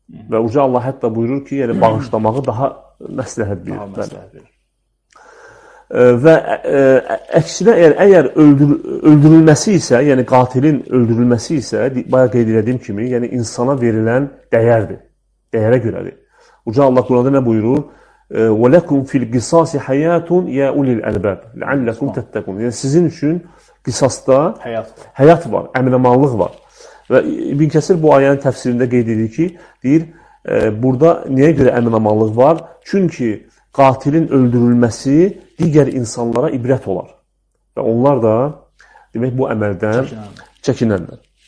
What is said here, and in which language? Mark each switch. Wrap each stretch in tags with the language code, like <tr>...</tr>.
<az>Və uca Allah hətta buyurur ki, yəni bağışlamağı daha məsləhət bilir. Daha məsləhət bilir. Və əksinə, yəni, əgər öldürülməsi isə, yəni qatilin öldürülməsi isə, bayaq qeyd elədiyim kimi, yəni insana verilən dəyərdir, dəyərə görədir. Uca Allah Quranda nə buyurur?</az> <ar>وَلَكُمْ فِي الْقِصَاسِ حَيَاتٌ يَا أُولِي الْأَلْبَابِ لَعَلَّكُمْ تَتَّقُونَ</ar> <az>Yəni sizin üçün qisasda həyat var, əminəmanlıq var. Və İbn Kəsir bu ayənin təfsirində qeyd edir ki, deyir, burada niyə görə əminamanlıq var? Çünki qatilin öldürülməsi digər insanlara ibrət olar. Və onlar da demək bu əməldən çəkinənlər.</az>